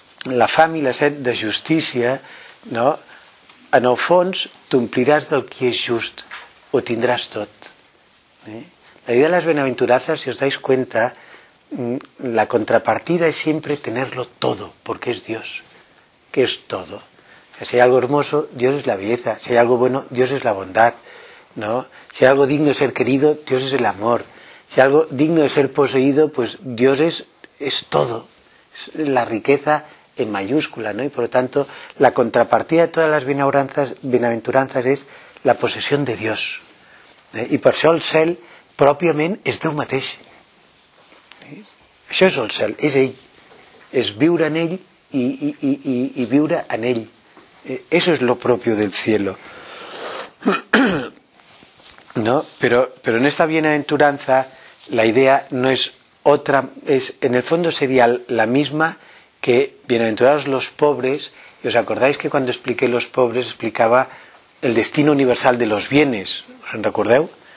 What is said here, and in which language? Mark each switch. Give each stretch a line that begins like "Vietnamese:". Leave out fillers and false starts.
Catalan: La fam i la set de justícia, no? En el fons t'ompliràs del qui és just, ho tindràs tot. La idea de les benaventurances, si
Spanish: us dais cuenta,
Catalan: la contrapartida és sempre
Spanish: tenerlo todo,
Catalan: perquè és
Spanish: Dios, que
Catalan: és
Spanish: todo. Si hay algo hermoso, Dios es la belleza. Si hay algo bueno, Dios es la bondad, ¿no? Si hay algo digno de ser querido, Dios es el amor. Si hay algo digno de ser poseído, pues Dios es todo. Es la riqueza en mayúscula, ¿no? Y por lo tanto, la contrapartida de todas las bienaventuranzas es la posesión de Dios. Y por eso
Catalan: el cel,
Spanish: propiamente, es
Catalan: Déu mateix. Això és el cel, és ell. És viure en ell i viure en ell.
Spanish: Eso es lo propio del cielo, ¿no? Pero en esta bienaventuranza la idea no es otra, es en el fondo sería la misma que bienaventurados los pobres, y os acordáis que cuando expliqué los pobres explicaba el destino universal de los bienes,
Catalan: ¿os en recordeu?